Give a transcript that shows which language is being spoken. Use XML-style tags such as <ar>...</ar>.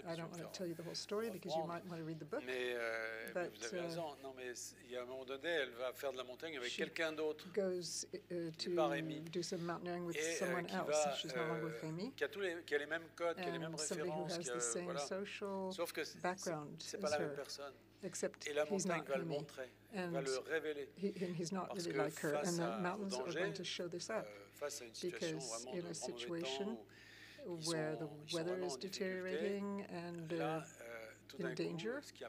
<en>I don't want to tell you the whole story because you might want to read the book.</en> <fr>Mais vous avez raison. Non, mais il y a un moment donné, elle va faire de la montagne avec quelqu'un d'autre.</fr> <en>She goes to do some mountaineering with someone else. She's no longer with Rémy.</en> <fr>Qui a les mêmes codes, qui a les mêmes références, qui a</fr> <en>the same social background.</en> <fr>C'est pas la même personne.</fr> <en>Except</en> <fr>et la montagne</fr> <en>he's not</en> <fr>va le montrer, va le révéler.</fr> <en>And he's not really like her. And the mountains are going to show this up. Because in a situation where the weather is deteriorating and in danger,</en>